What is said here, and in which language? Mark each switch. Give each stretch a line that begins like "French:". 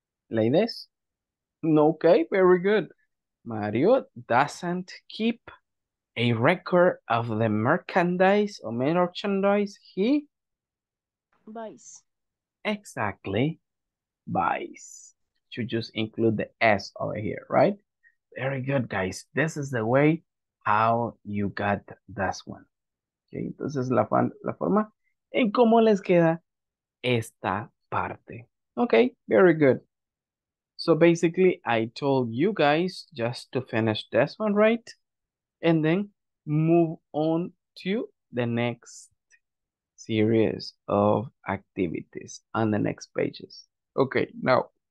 English: Ladies? Okay, very good. Mario doesn't keep a record of the merchandise or merchandise he buys. Exactly. Buys. To just include the S over here, right? Very good, guys. This is the way how you got this one.
Spanish: Okay, entonces la forma en cómo les queda esta parte.
English: Okay, very good. So basically, I told you guys just to finish this one, right? And then move on to the next series of activities on the next pages. Okay, now.